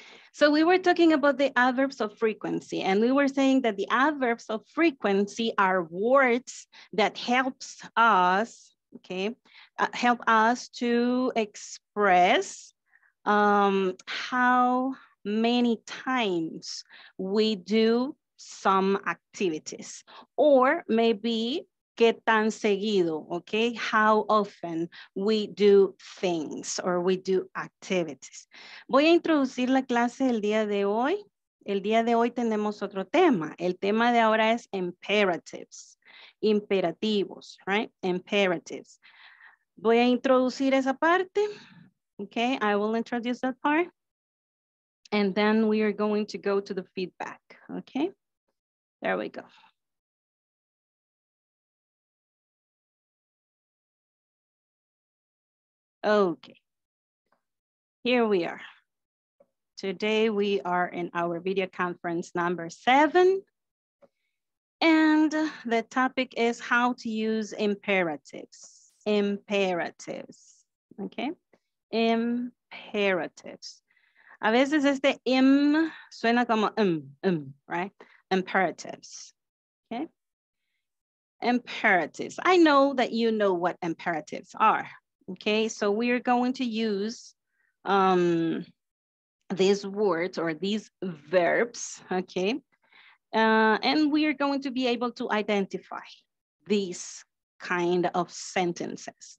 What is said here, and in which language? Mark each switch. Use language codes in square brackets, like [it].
[en] So we were talking about the adverbs of frequency, and we were saying that the adverbs of frequency are words that helps us, okay, help us to express how many times we do some activities, or maybe [es] qué tan seguido, [en] okay, how often we do things or we do activities. [es] Voy a introducir la clase el día de hoy. El día de hoy tenemos otro tema. El tema de ahora es imperatives, imperativos, [en] right? [es] Imperatives. Voy a introducir esa parte, [en] okay? I will introduce that part. And then we are going to go to the feedback, okay? There we go. Okay, here we are. Today we are in our video conference number 7. And the topic is how to use imperatives. Imperatives, okay? Imperatives. [es] A veces este im suena como im, [en] right? Imperatives, okay? Imperatives. I know that you know what imperatives are. Okay, so we are going to use these words or these verbs, okay? And we are going to be able to identify these kind of sentences.